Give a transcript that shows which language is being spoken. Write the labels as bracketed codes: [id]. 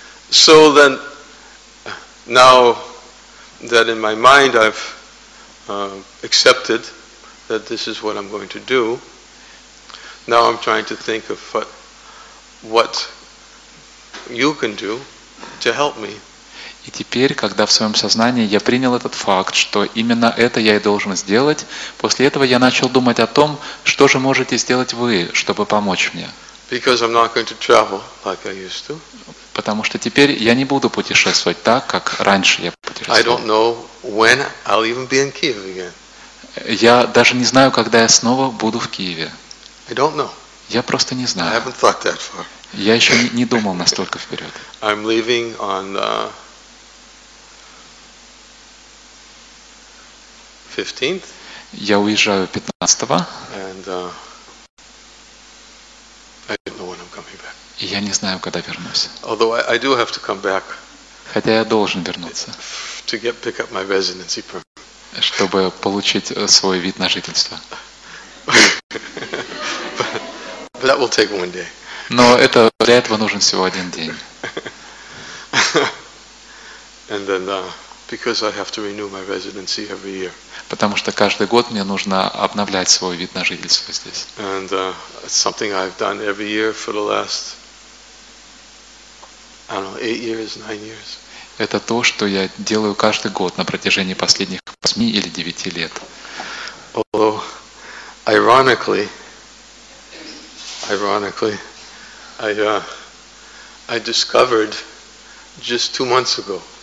[en] So then, now that in my mind I've accepted that this is what I'm going to do, now I'm trying to think of what you can do to help me. [ru] И теперь, когда в своем сознании я принял этот факт, что именно это я и должен сделать, после этого я начал думать о том, что же можете сделать вы, чтобы помочь мне. [en] Because I'm not going to travel like I used to. [ru] Потому что теперь я не буду путешествовать так, как раньше я путешествовал. [en] I don't know when I'll even be in Kiev again. [ru] Я даже не знаю, когда я снова буду в Киеве. [en] I don't know. [ru] Я просто не знаю. [en] I haven't thought that far. [ru] Я еще не думал настолько вперед. [en] I'm leaving on 15th. [ru] Я уезжаю 15-го. [en] And I don't know when I'm coming back. [ru] Я не знаю, когда вернусь. [en] Although I do have to come back. [ru] Хотя я должен вернуться. [en] To get pick up my residency permit. [ru] Чтобы получить свой вид на жительство. [en] But that will take one day. [ru] Но это для этого нужен всего один день. [en] And then because I have to renew my residency every year. [ru] Потому что каждый год мне нужно обновлять свой вид на жительство здесь. [en] And it's something I've done every year for the last, I don't know, 8 years, 9 years. [ru] Это то, что я делаю каждый год на протяжении последних 8 или 9 лет. [en] Although, ironically, I discovered just 2 months ago.